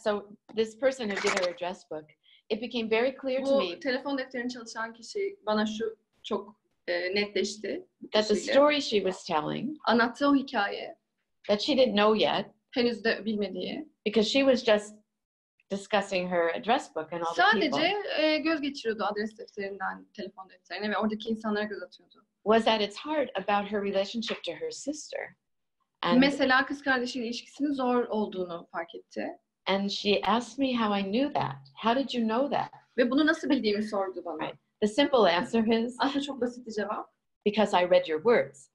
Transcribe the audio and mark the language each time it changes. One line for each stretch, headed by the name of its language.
English: So this person who did her address book, it became very clear to me.
Turkish: Bu telefon defterini çalışan kişi bana şu çok netleşti.
English: That the story she was telling.
Turkish: Anlattığı o hikaye.
English: That she didn't know yet.
Turkish: Henüz de bilmediği.
English: Because she was just discussing her address book and all the people.
Turkish: Sadece göz geçiriyordu adres defterinden telefon defterine ve oradaki insanlara göz atıyordu.
English: Was at its heart about her relationship to her sister. And
Turkish: mesela kız kardeşiyle ilişkisinin zor olduğunu fark etti.
English: And she asked me how I knew that. How did you know that?
Turkish: Ve bunu nasıl bildiğimi sordu bana.
English: Right. The simple answer is.
Turkish: Aslında çok basit bir cevap.
English: Because I read your words.